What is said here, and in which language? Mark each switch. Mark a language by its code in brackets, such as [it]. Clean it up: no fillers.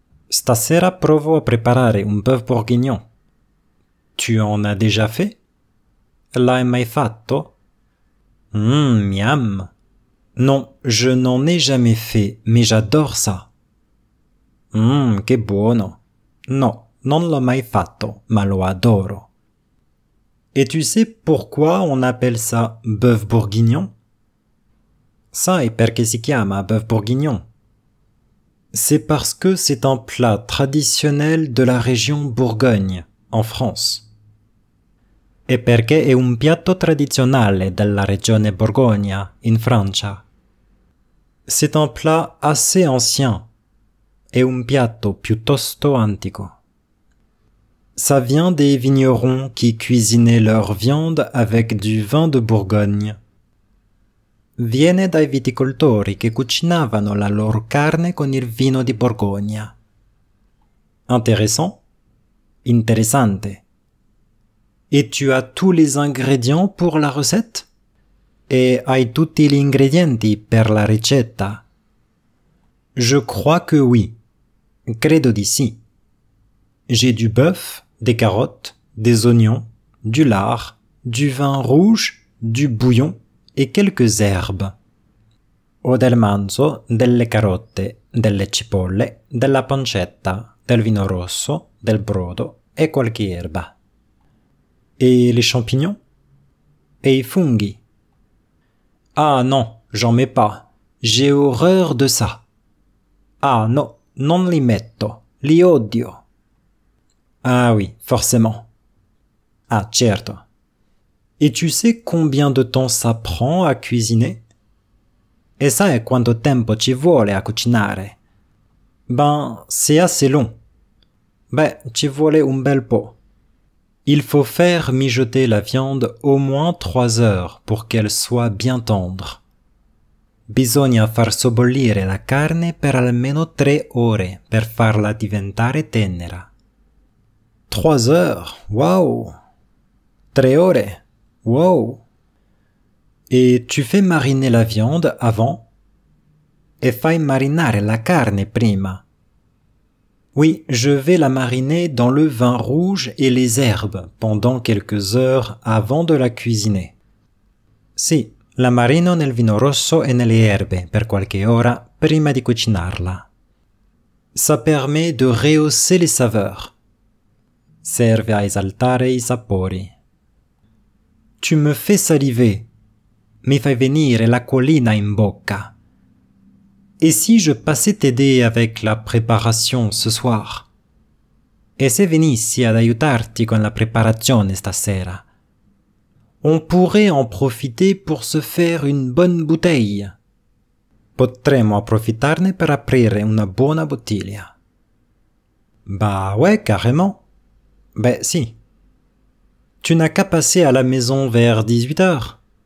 [it] Stasera provo a preparare un bœuf bourguignon. [fr] Tu en as déjà fait? [it] L'hai mai fatto? [fr] Miam. Non, je n'en ai jamais fait, mais j'adore ça. [it] Che buono. No, non l'ho mai fatto, ma lo adoro. [fr] Et tu sais pourquoi on appelle ça bœuf bourguignon? [it] Sai perché si chiama bœuf bourguignon? [fr] C'est parce que c'est un plat traditionnel de la région Bourgogne, en France. [it] E perché è un piatto tradizionale della regione Borgogna, in Francia? [fr] C'est un plat assez ancien. [it] È un piatto piuttosto antico. [fr] Ça vient des vignerons qui cuisinaient leur viande avec du vin de Bourgogne. [it] Viene dai viticoltori che cucinavano la loro carne con il vino di Borgogna. [fr] Intéressant? [it] Interessante. [fr] Et tu as tous les ingrédients pour la recette? [it] Et hai tutti gli ingredienti per la ricetta? [fr] Je crois que oui. [it] Credo di sì. [fr] J'ai du bœuf, des carottes, des oignons, du lard, du vin rouge, du bouillon et quelques herbes. [it] Ho del manzo, delle carote, delle cipolle, della pancetta, del vino rosso, del brodo e qualche erba. [fr] Et les champignons? [it] Et i funghi? [fr] Ah non, j'en mets pas. J'ai horreur de ça. [it] Ah non, non li metto. Li odio. [fr] Ah oui, forcément. [it] Ah certo. [fr] Et tu sais combien de temps ça prend à cuisiner? [it] E sai quanto tempo ci vuole a cucinare? [fr] Ben, c'est assez long. [it] Beh, ci vuole un bel po'. [fr] Il faut faire mijoter la viande au moins 3 heures pour qu'elle soit bien tendre. [it] Bisogna far sobbollire la carne per almeno 3 ore per farla diventare tenera. [fr] 3 heures, wow! [it] 3 ore, wow! [fr] Et tu fais mariner la viande avant? [it] E fai marinare la carne prima? [fr] Oui, je vais la mariner dans le vin rouge et les herbes pendant quelques heures avant de la cuisiner. [it] Sì, la marino nel vino rosso e nelle erbe per qualche ora prima di cucinarla. [fr] Ça permet de rehausser les saveurs. [it] Serve a esaltare i sapori. [fr] Tu me fais saliver. [it] Mi fai venire l'acquolina in bocca. [fr] Et si je passais t'aider avec la préparation ce soir? [it] E se venissi ad aiutarti con la preparazione stasera? [fr] On pourrait en profiter pour se faire une bonne bouteille. [it] Potremmo approfittarne per aprire una buona bottiglia. [fr] Bah ouais, carrément. [it] Beh, sì. [fr] Tu n'as qu'à passer à la maison vers 18h.